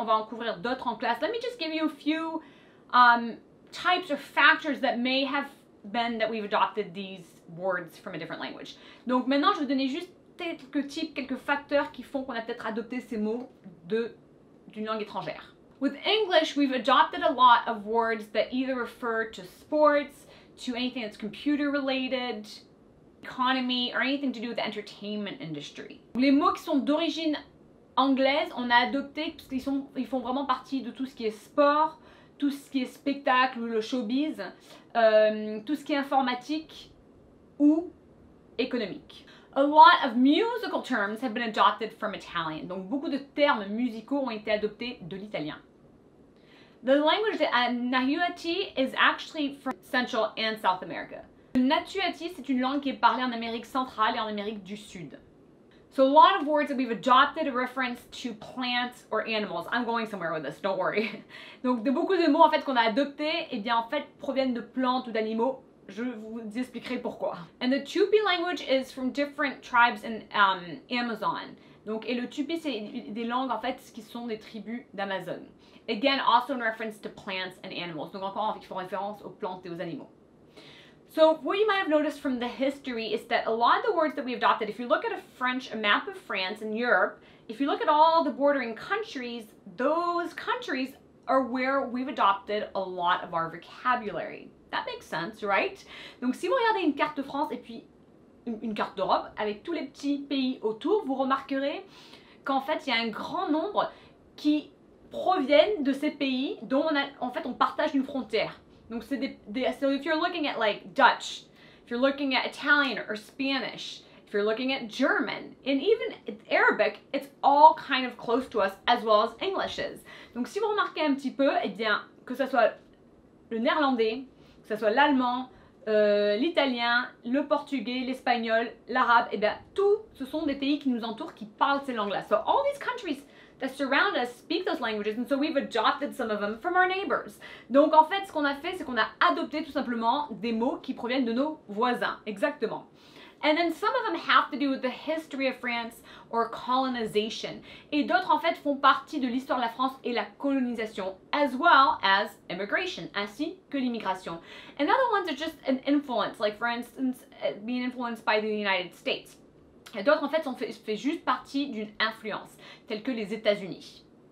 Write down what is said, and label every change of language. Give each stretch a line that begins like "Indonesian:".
French: On va en couvrir d'autres en classe.
English: Let me just give you a few types or factors that may have been that we've adopted these words from a different language.
French: Donc maintenant, je vais donner juste quelques types, quelques facteurs qui font qu'on a peut-être adopté ces mots d'une langue étrangère.
English: With English, we've adopted a lot of words that either refer to sports, to anything that's computer-related, economy, or anything to do with the entertainment industry.
French: Les mots qui sont d'origine anglaise, on a adopté parce qu'ils sont, ils font vraiment partie de tout ce qui est sport, tout ce qui est spectacle ou le showbiz, tout ce qui est informatique ou économique.
English: A lot of musical terms have been adopted from Italian.
French: Donc beaucoup de termes musicaux ont été adoptés de l'italien.
English: The language that Nahuatl is actually from Central and South America.
French: Nahuatl, c'est une langue qui est parlée en Amérique centrale et en Amérique du Sud.
English: So a lot of words that we've adopted reference to plants or animals. I'm going somewhere with this, don't worry.
French: Donc de beaucoup de mots en fait qu'on a adoptés, eh bien en fait proviennent de plantes ou d'animaux. Je vous expliquerai pourquoi.
English: And the Tupi language is from different tribes in Amazon.
French: Donc, et le Tupi, c'est des langues, en fait, qui sont des tribus d'Amazon.
English: Again, also in reference to plants and animals.
French: Donc, encore, en fait, ils font référence aux plantes et aux animaux.
English: So, what you might have noticed from the history is that a lot of the words that we adopted, if you look at a map of France and Europe, if you look at all the bordering countries, those countries are where we've adopted a lot of our vocabulary. That makes sense, right?
French: Donc, si vous regardez une carte de France et puis une carte d'Europe avec tous les petits pays autour, vous remarquerez qu'en fait, il y a un grand nombre qui proviennent de ces pays dont on a, en fait, on partage une frontière. Donc, c'est
English: so if you're looking at like Dutch, if you're looking at Italian or Spanish, if you're looking at German, and even Arabic, it's all kind of close to us as well as English is.
French: Donc, si vous remarquez un petit peu, eh bien, que ce soit le néerlandais, que ce soit l'allemand, l'italien, le portugais, l'espagnol, l'arabe, et bien tout, ce sont des pays qui nous entourent qui parlent ces langues-là.
English: So all these countries that surround us speak those languages, and so we've adopted some of them from our neighbors.
French: Donc en fait, ce qu'on a fait, c'est qu'on a adopté tout simplement des mots qui proviennent de nos voisins, exactement.
English: And then some of them have to do with the history of France or colonization.
French: Et d'autres en fait font partie de l'histoire de la France et la colonisation,
English: as well as immigration,
French: ainsi que l'immigration.
English: And other ones are just an influence, like for instance, being influenced by the United States.
French: Et d'autres en fait font juste partie d'une influence, telle que les États-Unis.